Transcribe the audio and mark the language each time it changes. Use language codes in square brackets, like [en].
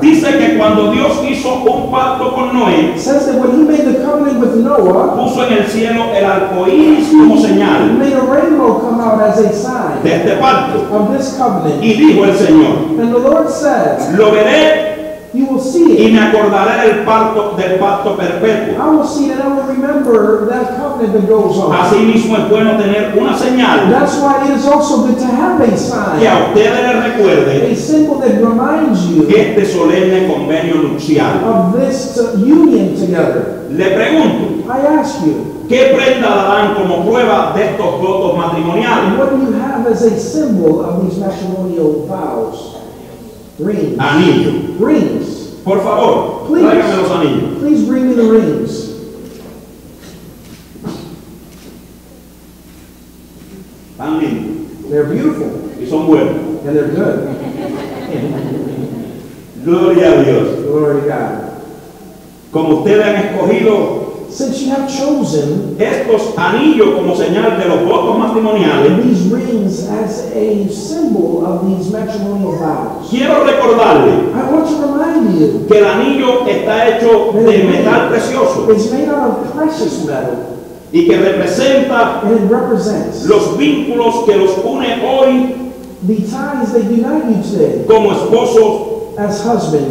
[es] dice que cuando Dios hizo un pacto con Noé, [en] says that when he made the covenant with Noah, [es] puso en el cielo el arcoíris como señal, [en] he made a rainbow come out as a sign, [es] de este pacto, [en] of this covenant, [es] y dijo el Señor, [en] and the Lord said, [es] lo veré, [en] you will see it, [es] y me acordaré del pacto perpetuo. [en] I will see it, I will remember that covenant that goes on. [es] Así mismo es bueno tener una señal. [en] That's why it is also good to have a sign. [es] Que a ustedes les recuerde. [en] A symbol that reminds you. [es] Que este solemne convenio nupcial. [en] Of this union together. [es] Le pregunto. [en] I ask you. [es] ¿Qué prenda darán como prueba de estos votos matrimoniales? [en] What do you have as a symbol of these matrimonial vows? Rings. [es] Anillo. [en] Rings. [es] Por favor, [en] please, [es] los anillos. [en] Please bring me the rings. [es] Tan lindo. [en] They're beautiful. [es] Y son buenos. [en] And they're good. [es] Gloria a Dios. [en] Glory to God. [es] Como ustedes han escogido, [en] since you have chosen [es] estos anillos como señal de los votos matrimoniales, [en] these rings as a symbol of these matrimonial vows, [es] quiero recordarle, [en] I want to remind you, [es] que el anillo está hecho de metal precioso, [en] it's made out of precious metal, [es] y que representa, [en] and it represents, [es] los vínculos que los une hoy, [en] the ties that unite you today, [es] como esposos, [en] as husband,